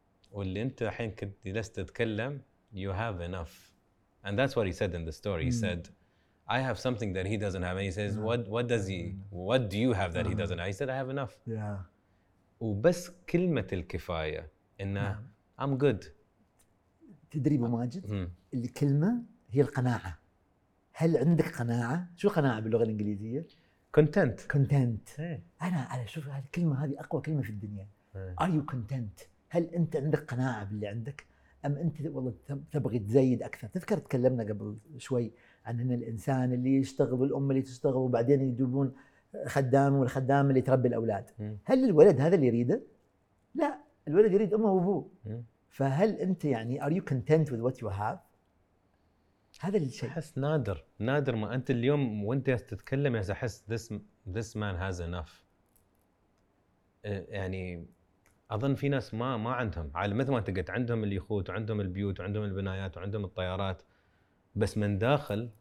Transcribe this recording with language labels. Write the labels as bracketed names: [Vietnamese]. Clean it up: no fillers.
[English] واللي انت الحين كنت جلست تتكلم you have enough and that's what he said in the story. He said I have something that he doesn't have and he says what do you have that he doesn't have. He said I have enough. [Arabic] وبس كلمة الكفاية إنه I'm good. تدري أبو ماجد الكلمة هي القناعة. هل عندك قناعة؟ شو قناعة باللغة الإنجليزية؟ [English] content. content. [Arabic] أنا شوف الكلمة هذه أقوى كلمة في الدنيا. Are you content؟ هل أنت عندك قناعة باللي عندك؟ أم أنت والله تبغي تزيد أكثر؟ تذكر تكلمنا قبل شوي عن أن الإنسان اللي يشتغل والأم اللي تشتغل وبعدين يدوبون خدام والخدام اللي تربي الأولاد. هل الولد هذا اللي يريده؟ لا، الولد يريد أمه وأبوه. [English] فهل أنت يعني are you content with what you have؟ هذا الشيء [Arabic] أحس نادر نادر ما أنت اليوم وأنت تتكلم أحس this man has enough. يعني اظن في ناس ما عندهم على مثل ما انت قلت، عندهم اليخوت وعندهم البيوت وعندهم البنايات وعندهم الطيارات، بس من داخل